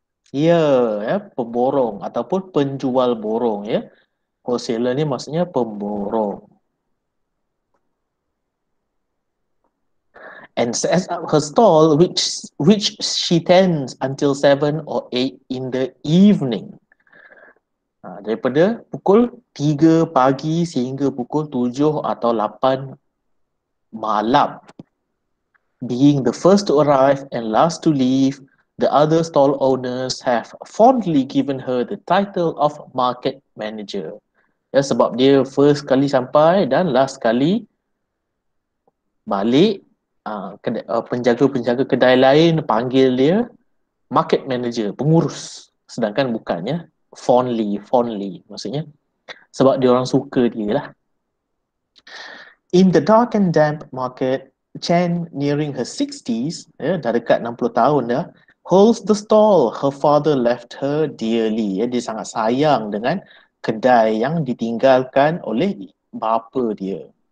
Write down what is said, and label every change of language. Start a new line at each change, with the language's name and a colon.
Malay: Ya, ya, pemborong ataupun penjual borong ya. Wholesaler ni maksudnya pemborong.
English: and sets up her stall, which she tends until 7 or 8 in the evening.
Malay: Daripada pukul 3 pagi sehingga pukul 7 atau 8 malam.
English: Being the first to arrive and last to leave, the other stall owners have fondly given her the title of market manager.
Malay: Ya, sebab dia first kali sampai dan last kali balik, penjaga-penjaga kedai lain panggil dia market manager, pengurus. Sedangkan bukan, ya. Fondly, maksudnya. Sebab dia orang suka dia lah.
English: In the dark and damp market, Chen, nearing her 60s,
Malay: ya, dah dekat 60 tahun dah,
English: holds the stall her father left her dearly.
Malay: Ya, dia sangat sayang dengan kedai yang ditinggalkan oleh bapa dia.